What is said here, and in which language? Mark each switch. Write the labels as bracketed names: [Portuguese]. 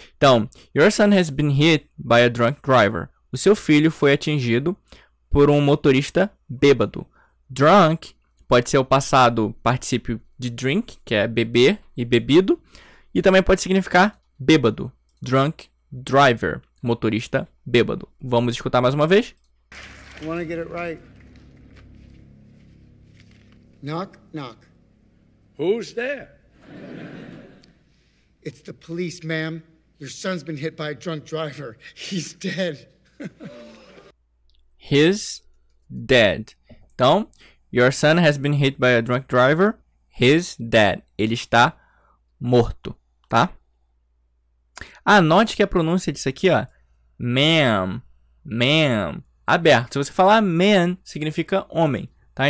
[English] Então, your son has been hit by a drunk driver. [Portuguese] O seu filho foi atingido por um motorista bêbado. Drunk pode ser o passado particípio de drink, que é beber e bebido. E também pode significar bêbado. Drunk driver, motorista bêbado. Vamos escutar mais uma vez? [English] I want to get it right. Knock, knock. Who's there? It's the police, ma'am. Your son's been hit by a drunk driver. He's dead. He's dead. Então, your son has been hit by a drunk driver. He's dead. [Portuguese] Ele está morto, tá? Ah, note que a pronúncia disso aqui, ó. Ma'am. Ma'am. Aberto. Se você falar man, significa homem, tá?